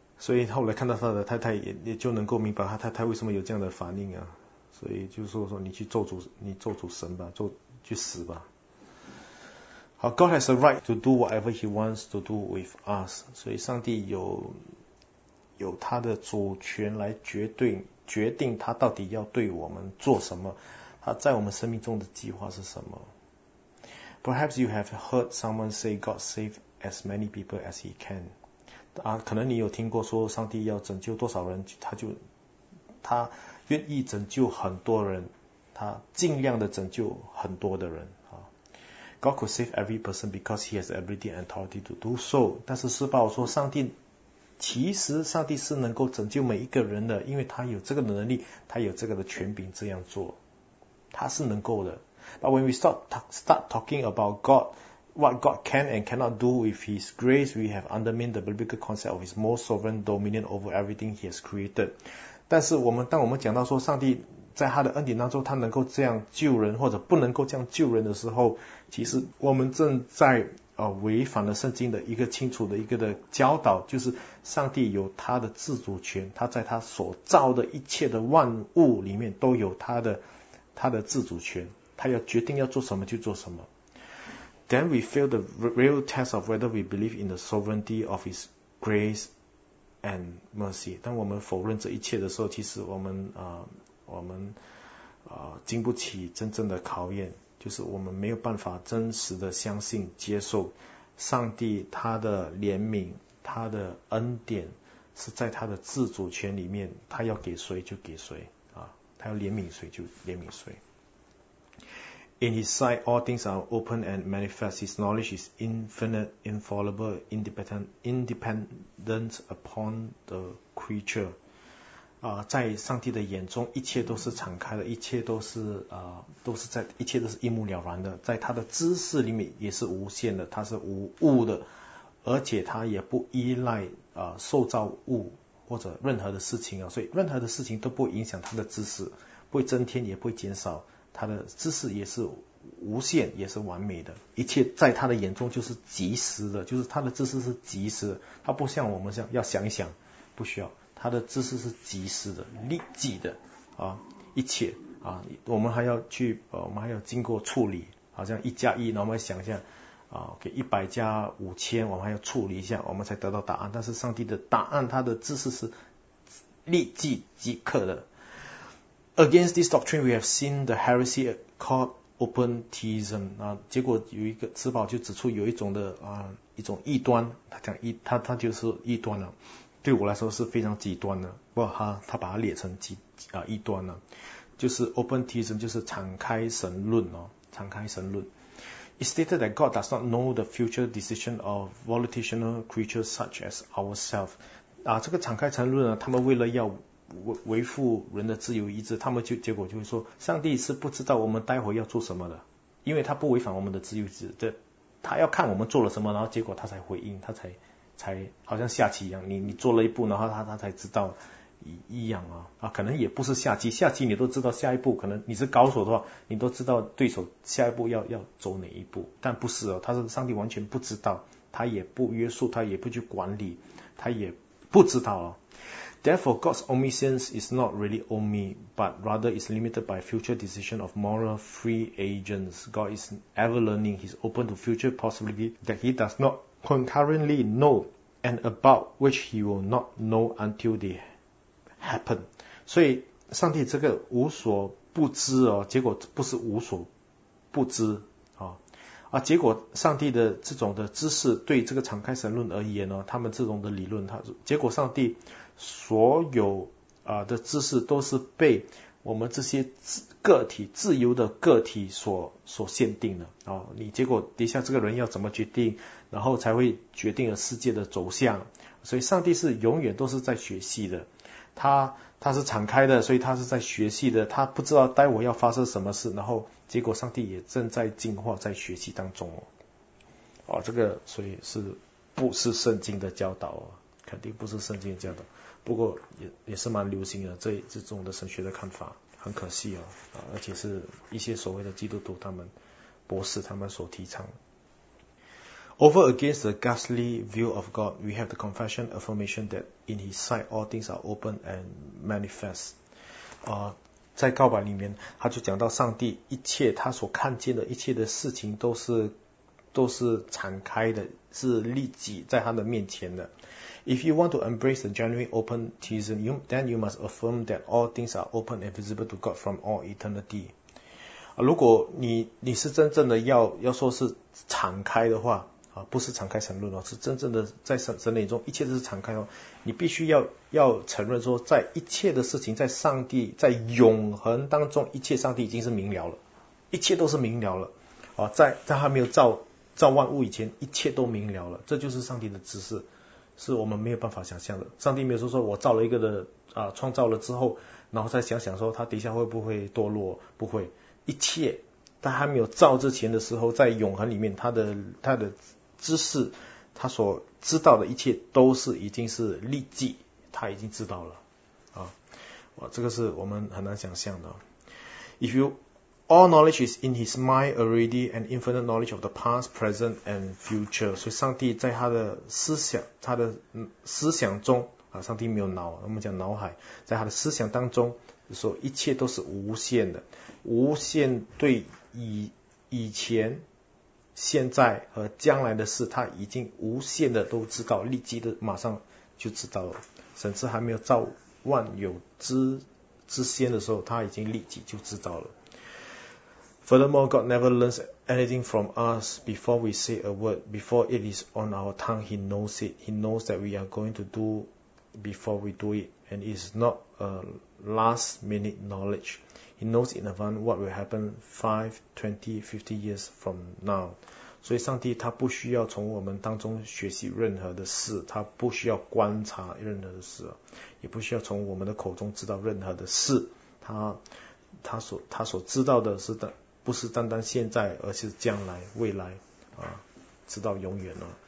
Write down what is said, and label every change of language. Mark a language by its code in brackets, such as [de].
[zh] 所以后来看到他的太太也就能够明白他太太为什么有这样的反应啊，所以就是说你去咒诅神吧，去死吧。 [en] 好 ，God has a right to do whatever He wants to do with us。 [zh] 所以，上帝有他的主权来决定他到底要对我们做什么，他他在我们生命中的计划是什么。 [en] Perhaps you have heard someone say God save as many people as he can. [zh] 啊，可能你有听过说上帝要拯救多少人，他愿意拯救很多人，他尽量的拯救很多的人。 [en] God could save every person because he has the ability and authority to do so. [zh] 但是施巴说上帝是能够拯救每一个人的，因为他有这个能力，他有这个的权柄这样做，他是能够的。 [en] But when we start talking about God, what God can and cannot do with his grace, we have undermined the biblical concept of his most sovereign dominion over everything he has created. [zh] 但是当我们讲到说上帝在他的恩典当中，他能够这样救人或者不能够这样救人的时候，其实我们正在违反了圣经的一个清楚的一个的教导，就是上帝有他的自主权，他在他所造的一切的万物里面都有他的自主权，他要决定要做什么就做什么。 [en] Then we fail the real test of whether we believe in the sovereignty of his grace and mercy. [zh] 当我们否认这一切的时候，其实我们经不起真正的考验，就是我们没有办法真实的相信接受上帝他的怜悯，他的恩典是在他的自主权里面，他要给谁就给谁啊，他要怜悯谁就怜悯谁。 [en] In his sight all things are open and manifest, his knowledge is infinite, infallible, independent upon the creature. [zh] 在上帝的眼中一切都是敞开的，一切都是一切都是一目了然的，在他的知识里面也是无限的，他是无物的，而且他也不依赖受造物或者任何的事情啊，所以任何的事情都不影响他的知识，不会增添也不会减少，他的知识也是无限也是完美的，一切在他的眼中就是及时的，就是他的知识是及时的，他不像我们像要想一想，不需要，他的知识是及时的、立即的啊，一切啊，我们还要去我们还要经过处理，好像一加一，然后我们想一下啊，给一百加五千，我们还要处理一下，我们才得到答案。但是上帝的答案，他的知识是立即即刻的。 [en] Against this doctrine, we have seen the heresy called open theism. [zh] 啊，结果有一个资宝就指出有一种的一种异端，他就是异端了。对我来说是非常极端的，不过他把它列成异端了，就是 open theism, 就是敞开神论哦，敞开神论。 [en] It stated that God does not know the future decision of volitional creatures such as ourselves. [zh] 啊，这个敞开神论呢，他们为了要维护人的自由意志，他们结果就是说，上帝是不知道我们待会要做什么的，因为他不违反我们的自由意志，这他要看我们做了什么，然后结果他才回应，他才好像下棋一样，你做了一步，然后他才知道一样啊，可能也不是下棋你都知道下一步，可能你是高手的话，你都知道对手下一步要走哪一步，但不是哦，他是上帝完全不知道，他也不约束，他也不去管理，他也不知道哦。 [en] Therefore, God's omniscience is not really omni, but rather is limited by future decision of moral free agents. God is ever learning, he's open to future possibility that he does notconcurrently know and about which he will not know until they happen. [zh] 所以上帝这个无所不知哦，结果不是无所不知啊，结果上帝的这种的知识对这个敞开神论而言哦，他们这种的理论，结果上帝所有的知识都是被我们这些个体自由的个体所限定的啊，你结果底下这个人要怎么决定，然后才会决定了世界的走向，所以上帝是永远都是在学习的，他是敞开的，所以他是在学习的，他不知道待会要发生什么事，然后结果上帝也正在进化，在学习当中哦。哦，这个所以是不是圣经的教导哦？肯定不是圣经的教导，不过也是蛮流行的这种的神学的看法，很可惜哦，而且是一些所谓的基督徒他们博士他们所提倡的。 [en] Over against the ghastly view of God, we have the confession affirmation that in His sight all things are open and manifest. [zh] 在告白里面，他就讲到上帝一切他所看见的一切的事情都是敞开的，是立即在他的面前的。 [en] If you want to embrace the genuine open theism, then you must affirm that all things are open and visible to God from all eternity. [zh] 如果你是真正的要说是敞开的话啊，不是敞开神论哦，是真正的在神眼中一切都是敞开哦。你必须要承认说，在一切的事情，在上帝在永恒当中，一切上帝已经是明了了，一切都是明了了啊，在他没有造万物以前，一切都明了了，这就是上帝的知识。是我们没有办法想象的。上帝没有说我造了一个的啊，创造了之后，然后再想想说他底下会不会堕落？不会，一切他还没有造之前的时候，在永恒里面，他的知识，他所知道的一切都是已经是立即，他已经知道了啊，这个是我们很难想象的。 [en] If you all knowledge is in His mind already, an infinite knowledge of the past, present, and future. [zh] 所以上帝在他的思想，他的思想中啊，上帝没有脑，我们讲脑海，在他的思想当中，说一切都是无限的，无限对以前、现在和将来的事，他已经无限的都知道，立即的马上就知道了，甚至还没有造万有之先的时候，他已经立即就知道了。 [en] Furthermore, God never learns anything from us before we say a word. Before it is on our tongue, He knows it. He knows that we are going to do before we do it. And it is not a last minute knowledge. He knows in advance what will happen 5, 20, 50 years from now. [zh] 所以上帝他不需要从我们当中学习任何的事，他不需要观察任何的事，也不需要从我们的口中知道任何的事。他所知道的是的。不是单单现在，而是将来、未来，啊，直到永远了。